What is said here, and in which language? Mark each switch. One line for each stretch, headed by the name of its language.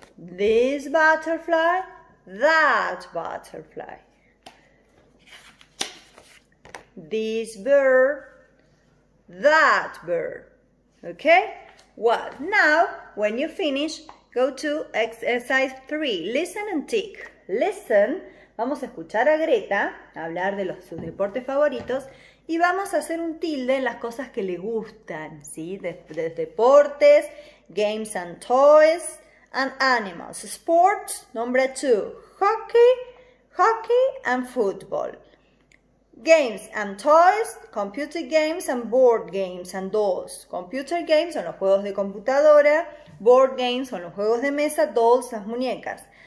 English: This butterfly, that butterfly. This bird, that bird. Okay? Well, now, when you finish, go to exercise 3. Listen and tick. Listen.
Spanish: Vamos a escuchar a Greta hablar de sus deportes favoritos y vamos a hacer un tilde en las cosas que le gustan, ¿sí? De deportes,
English: games and toys, and animals. Sports, number 2. Hockey and football. Games and toys, computer games and board games and dolls.
Spanish: Computer games son los juegos de computadora. Board games son los juegos de mesa, dolls, las muñecas.